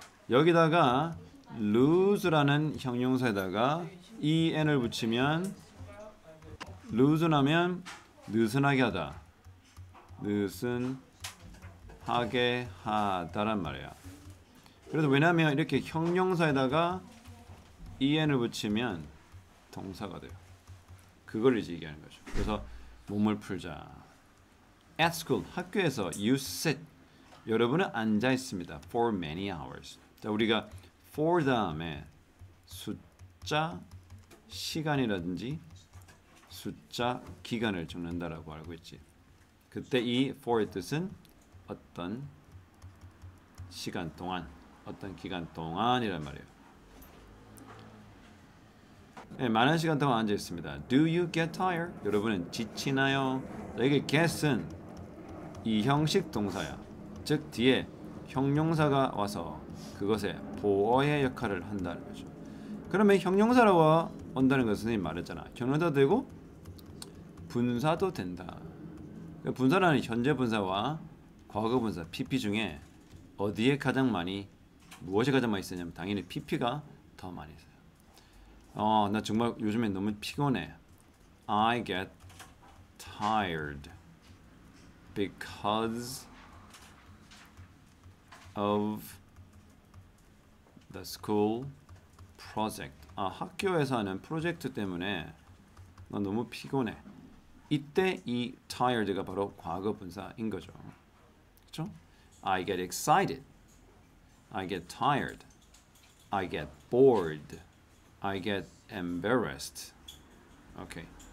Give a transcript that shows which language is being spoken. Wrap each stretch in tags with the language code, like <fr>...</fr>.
<ko>여기다가 loose라는 형용사에다가 en을 붙이면 loosen하면 느슨하게 하다. 느슨하게 하다란 말이야. 그래서 왜냐면 이렇게 형용사에다가 en을 붙이면 동사가 돼요. 그걸 이제 얘기하는 거죠. 그래서 몸을 풀자.</ko> <en>At school,</en> <ko>학교에서</ko> <en>you sit.</en> <ko>여러분은 앉아있습니다.</ko> <en>For many hours.</en> <ko>자, 우리가 for 다음에 숫자 시간이라든지 숫자 기간을 적는다라고 알고 있지. 그때 이 for의 뜻은 어떤 시간 동안, 어떤 기간 동안이란 말이에요. 네, 많은 시간 동안 앉아있습니다.</ko> <en>Do you get tired?</en> <ko>여러분은 지치나요? 여기 get은 이 형식 동사야. 즉 뒤에 형용사가 와서 그것의 보어의 역할을 한다는 거죠. 그러면 형용사라고 온다는 것은 말했잖아. 형용사도 되고 분사도 된다. 분사라는 현재 분사와 과거 분사 PP 중에 어디에 가장 많이, 무엇에 가장 많이 쓰냐면 당연히 PP가 더 많이 써요. 나 정말 요즘에 너무 피곤해.</ko> <en>I get tired because of the school project.</en> <ko>아, 학교에서 하는 프로젝트 때문에 나 너무 피곤해. 이때 이 tired가 바로 과거 분사인 거죠. 그렇죠?</ko> <en>I get excited. I get tired. I get bored. I get embarrassed. Okay.</en>